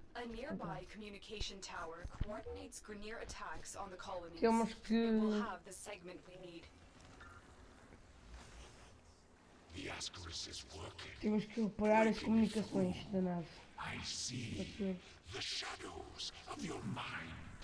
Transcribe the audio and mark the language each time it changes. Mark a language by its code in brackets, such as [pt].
[en] A nearby communication tower coordinates grenier attacks on the colonies. [pt] Temos que... [en] We'll have the segment we need. The Ascaris is working. [pt] Temos que operar as comunicações da nave. [en] I see the shadows of your mind.